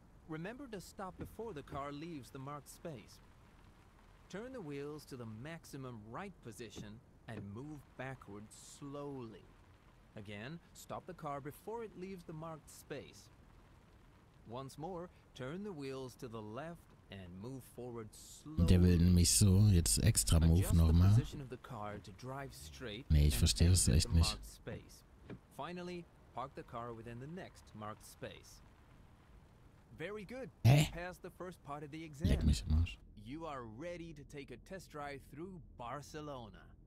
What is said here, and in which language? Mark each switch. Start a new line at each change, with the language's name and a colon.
English: Remember to stop before the car leaves the marked space. Turn the wheels to the maximum right position and move backwards slowly. Again, stop the car before it leaves the marked space. Once more, turn the wheels to the left and move forward slowly.
German: Der will nämlich so jetzt extra move nochmal.
English: Adjust the position of the car to drive straight.
German: Nee, ich verstehe es echt nicht.
English: Finally, park the car within the next marked space. Very good. Hey. You passed the first part of the exam.
German: Leck mich im Arsch.
English: You are ready to take a test drive through Barcelona.